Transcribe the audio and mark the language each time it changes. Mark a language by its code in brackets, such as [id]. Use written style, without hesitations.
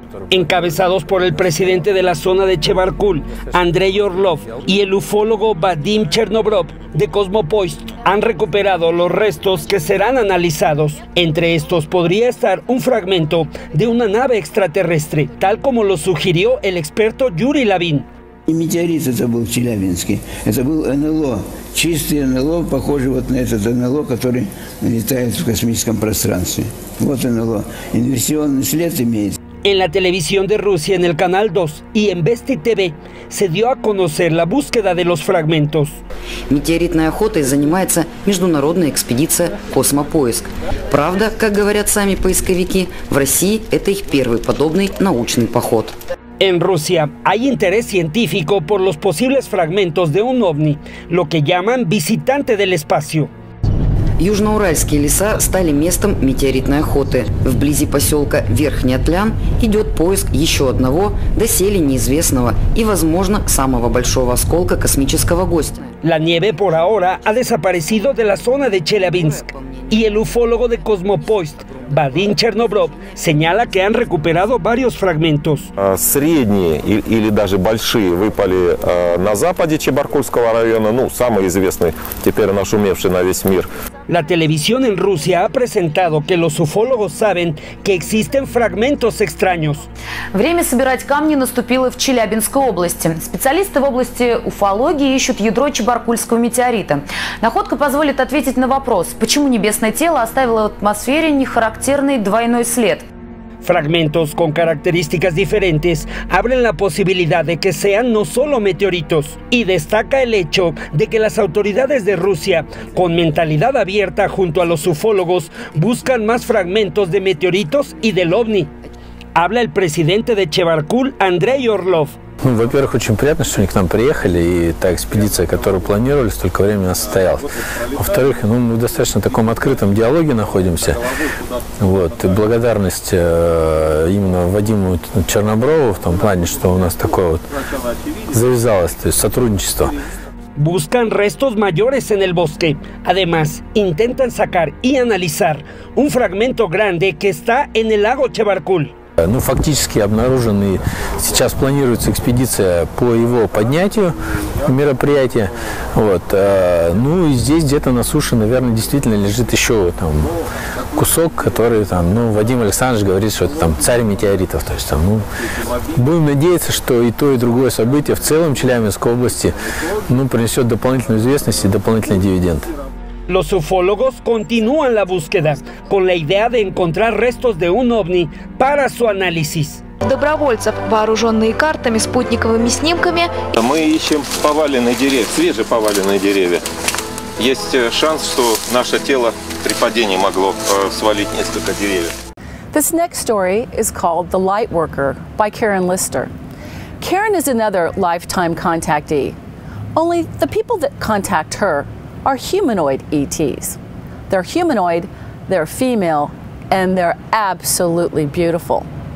[es] Encabezados por el presidente de la zona de Chebarkul, Andrei Orlov, y el ufólogo Vadim Chernobrov de Cosmopoist, han recuperado los restos que serán analizados. Entre estos podría estar un fragmento de una nave extraterrestre, tal como lo sugirió el experto Yuri Lavin. [ru] Не метеорит это был Челябинский, это был НЛО, чистый НЛО, похожий вот на этот НЛО, который летает в космическом пространстве. Вот НЛО, инверсионный след имеет. [es] En la televisión de Rusia, en el Canal 2 y en Vesti TV, se dio a conocer la búsqueda de los fragmentos. [ru] Метеоритной охотой занимается международная экспедиция «Космопоиск». Правда, как говорят сами поисковики, в России это их первый подобный научный поход. [es] En Rusia hay interés científico por los posibles fragmentos de un ovni, lo que llaman visitante del espacio. [ru] Южноуральские леса стали местом метеоритной охоты. Вблизи поселка Верхний Атлян идет поиск еще одного доселе неизвестного и, возможно, самого большого осколка космического гостя. [es] La nieve por ahora ha desaparecido de la zona de Chelyabinsk. Y el ufólogo de Cosmopoist, Vadim Chernobrov, señala que han recuperado varios fragmentos. [ru] Средние или даже большие выпали на западе Чебаркульского района, ну, самый известный, теперь нашумевший на весь мир. [es] La televisión en Rusia ha presentado que los ufólogos saben que existen fragmentos extraños. [ru] Время собирать камни наступило в Челябинской области. Специалисты в области уфологии ищут ядро Чебаркульского метеорита. Находка позволит ответить на вопрос, почему небесное тело оставило в атмосфере нехарактерный двойной след. [es] Fragmentos con características diferentes abren la posibilidad de que sean no solo meteoritos. Y destaca el hecho de que las autoridades de Rusia, con mentalidad abierta junto a los ufólogos, buscan más fragmentos de meteoritos y del OVNI. Habla el presidente de Chebarkul, Andrei Orlov. [ru] Во-первых, очень приятно, что они к нам приехали, и та экспедиция, которую планировали, столько времени состоялась. Во-вторых, ну, мы в достаточно таком открытом диалоге находимся. Вот. И благодарность именно Вадиму Черноброву в том плане, что у нас такое вот завязалось, то есть сотрудничество. [es] Buscan restos mayores en el bosque. Además, intentan sacar y analizar un fragmento grande que está en el lago Chebarkul. [ru] Ну, фактически обнаружен, и сейчас планируется экспедиция по его поднятию мероприятия. Вот. Ну, и здесь где-то на суше, наверное, действительно лежит еще там кусок, который там, ну, Вадим Александрович говорит, что это там царь метеоритов. То есть там, ну, будем надеяться, что и то, и другое событие в целом Челябинской области, ну, принесет дополнительную известность и дополнительный дивиденд. [es] Los ufólogos continúan la búsqueda con la idea de encontrar restos de un ovni para su análisis. [ru] Добровольцев, вооруженные картами, спутниковыми снимками. Мы ищем поваленные деревья, свежеповаленные деревья. Есть шанс, что наше тело при падении могло свалить несколько деревьев. [en] This next story is called The Light Worker by Karen Lister. Karen is another lifetime contactee. Only the people that contact her are humanoid ETs. They're humanoid, they're female, and they're absolutely beautiful.